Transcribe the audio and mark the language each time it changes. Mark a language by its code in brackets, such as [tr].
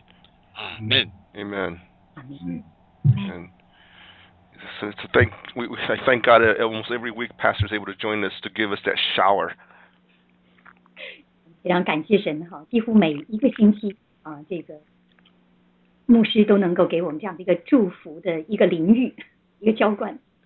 [zh] 成就你的心意得胜，有得胜，因为你已经得胜的主，谢谢主，赞美主，有主，主右手来扶持保守我们，与你同掌权，成就这个地上行在你的旨意，行在天上一样，这么容易，感谢主，谢谢主，我们这样晚上我们开始的时候，求你就引导我们，保守我们，祝福我们，这样祷告，奉耶稣基督的名，阿门，阿门。 [en] So I thank God that almost every week Pastor is able to join us to give us that shower. [zh] 非常感谢神，几乎每一个星期，这个牧师都能够给我们这样的一个祝福的一个淋浴，一个浇灌。